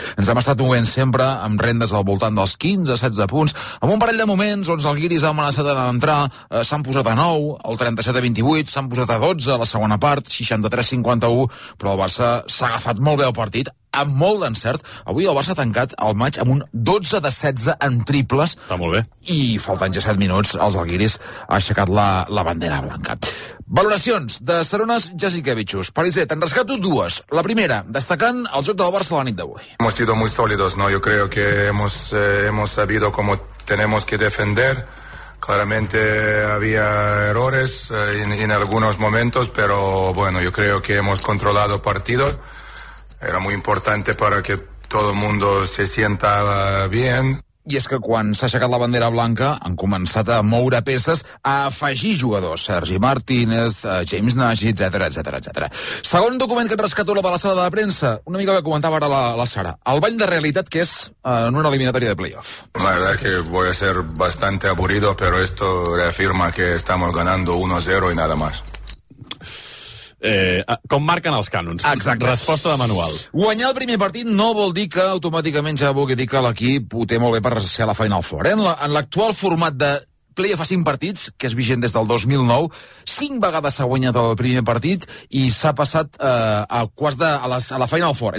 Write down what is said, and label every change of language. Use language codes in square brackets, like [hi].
[ca] Ens hem estat movent sempre amb rendes al voltant dels 15-16 punts, amb un parell de moments on els guiris han amenaçat d'entrar, s'han posat a 9, el 37-28, s'han posat a 12 a la segona part, 63-51, però el Barça s'ha agafat molt bé el partit, amb molt d'encert. Avui el Barça ha tancat el maig amb un 12-16 en triples. Està molt bé. I faltant ja 7 minuts, els Alguiris ha aixecat la bandera blanca. Valoracions de Sarones, Jasikevičius. Pariser, te'n rescato dues. La primera, destacant el joc del Barça la nit d'avui. [es] Hemos sido muy sólidos, ¿no? Yo creo que hemos sabido cómo tenemos que defender. Claramente había errores en algunos momentos, pero bueno, yo creo que hemos controlado partido. Era muy importante para que todo el mundo se sienta bien. [ca] I és que quan s'ha aixecat la bandera blanca han començat a moure peces, a afegir jugadors, Sergi Martínez, James Nagy, etc. Segon document que et rescato, la de la sala de premsa, una mica que comentava ara la Sara, el bany de realitat que és en una eliminatòria de playoff. [es] La verdad que voy a ser bastante aburrido, pero esto reafirma que estamos ganando 1-0 y nada más. [ca] Com marquen els cànons? Exacte. Resposta de manual. Guanyar el primer partit no vol dir que automàticament ja vulgui dir que l'equip ho té molt bé per ser a la Final Four. En l'actual format de play-off a 5 partits, que és vigent des del 2009, 5 vegades s'ha guanyat el primer partit i s'ha passat a la Final Four.